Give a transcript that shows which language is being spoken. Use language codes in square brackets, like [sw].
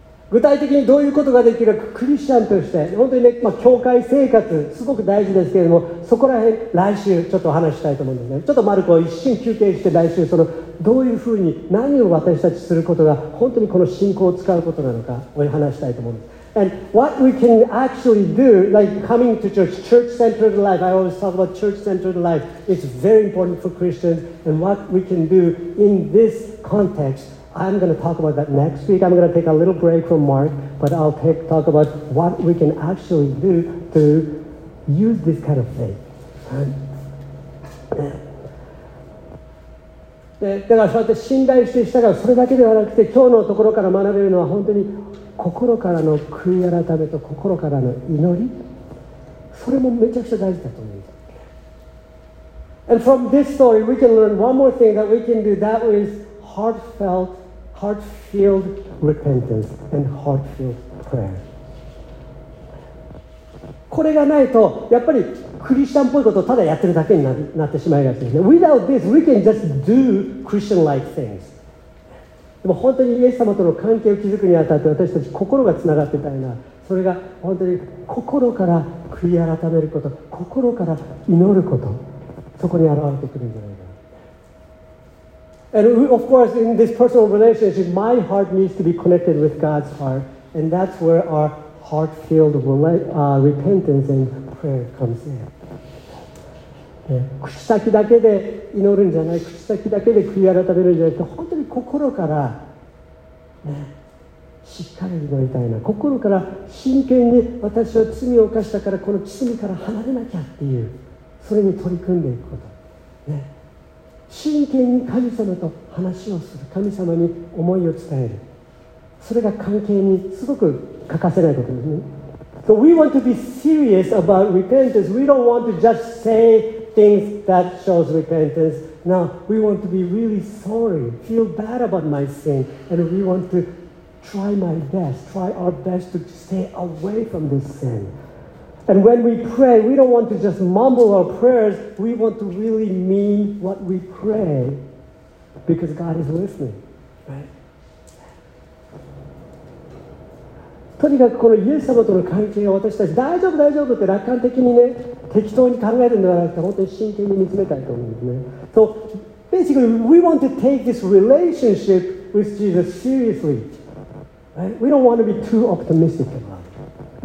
[ja] 具体的にどういうことができるか、クリスチャンとして、本当にね、まあ、教会生活、すごく大事ですけれども、そこら辺、来週ちょっと話したいと思うんですね。ちょっとマルコを一瞬休憩して、来週、その、どういうふうに、何を私たちすることが、本当にこの信仰を使うことなのか、お話したいと思うんです。 [en] And what we can actually do, like coming to church, church-centered life, I always talk about church-centered life, it's very important for Christians, and what we can do in this context, I'm going to talk about that next week. I'm going to take a little break from Mark, but I'll talk about what we can actually do to use this kind of faith. [ja] だからそうやって信頼して従う、それだけではなくて、今日のところから学べるのは本当に心からの悔い改めと心からの祈り、それもめちゃくちゃ大事だと思います。 [en] And from this story we can learn one more thing that we can do, that is heartfelt, heart-filled repentance and heart-filled prayer. [ja] これがないとやっぱりクリスチャンっぽいことをただやってるだけになってしまいがちですね。 [en] Without this we can just do Christian-like things [ja] でも本当にイエス様との関係を築くにあたって、私たち心がつながっていたいな、それが本当に心から悔い改めること、心から祈ること、そこに現れてくるんじゃないかな。 [en] And of course in this personal relationship my heart needs to be connected with God's heart, and that's where our heart filled repentance and prayer comes in. [ja] 口先だけで祈るんじゃない、口先だけで悔い改めるんじゃなくて、本当に心から、ね、しっかり祈りたいな、心から真剣に私は罪を犯したからこの罪から離れなきゃっていう、それに取り組んでいくこと、ね、真剣に神様と話をする、神様に思いを伝える、それが関係にすごく欠かせないことですね。 [en] So we want to be serious about repentance. We don't want to just say things that shows repentance. Now, we want to be really sorry, feel bad about my sin, and we want to try my best, try our best to stay away from this sin. And when we pray, we don't want to just mumble our prayers. We want to really mean what we pray because God is listening, right? [ja] とにかくこのイエス様との関係を私たち大丈夫大丈夫って楽観的にね、適当に考えるのではなくて本当に真剣に見つめたいと思うんですね。 [en] So basically we want to take this relationship with Jesus seriously、right? We don't want to be too optimistic about it.